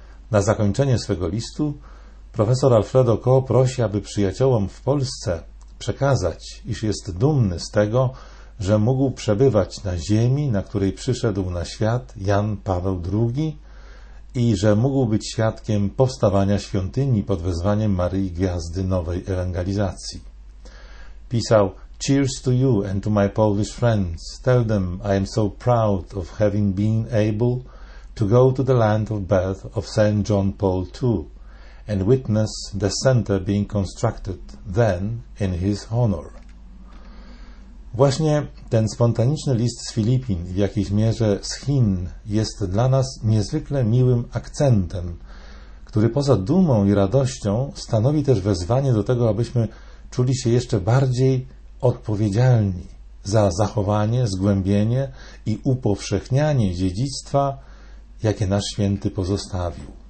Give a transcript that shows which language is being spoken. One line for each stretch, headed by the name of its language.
Polish: Na zakończenie swego listu profesor Alfredo Ko prosi, aby przyjaciołom w Polsce przekazać, iż jest dumny z tego, że mógł przebywać na ziemi, na której przyszedł na świat Jan Paweł II i że mógł być świadkiem powstawania świątyni pod wezwaniem Maryi Gwiazdy Nowej Ewangelizacji. Pisał:
English: "Cheers to you and to my Polish friends. Tell them I am so proud of having been able to go to the land of birth of St. John Paul II and witness the center being constructed then in his honor."
Polish: Właśnie ten spontaniczny list z Filipin, w jakiejś mierze z Chin, jest dla nas niezwykle miłym akcentem, który poza dumą i radością stanowi też wezwanie do tego, abyśmy czuli się jeszcze bardziej odpowiedzialni za zachowanie, zgłębienie i upowszechnianie dziedzictwa, jakie nasz święty pozostawił.